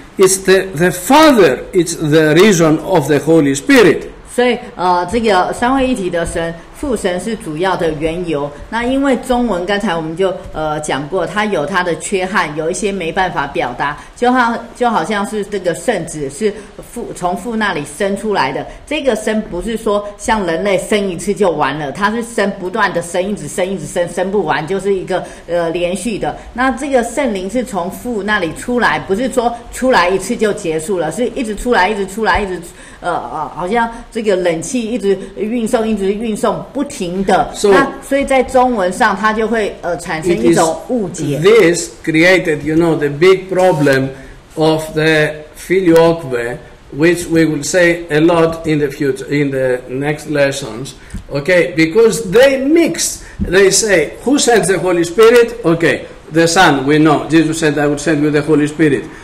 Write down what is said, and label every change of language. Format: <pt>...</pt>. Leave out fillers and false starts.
<en>It's the Father. It's the reason of the Holy Spirit.</en> <zh>所以这个三位一体的神，父神是主要的缘由。那因为中文刚才我们就讲过，它有它的缺憾，有一些没办法表达。就好像是这个圣子是从父那里生出来的，这个生不是说像人类生一次就完了，它是生不断的生，一直生，一直生，生不完，就是一个连续的。那这个圣灵是从父那里出来，不是说出来一次就结束了，是一直出来，一直出来，一直好像这个冷气一直运送，一直运送。不停的</zh> <en>so,</en> <zh>那所以在中文上它就会产生一种误解。</zh> <en>This created, you know, the big problem of the filioque, which we will say a lot in the future, in the next lessons. Okay, because they mix. They say, who sends the Holy Spirit? Okay, the Son, we know. Jesus said, I will send you the Holy Spirit.</en>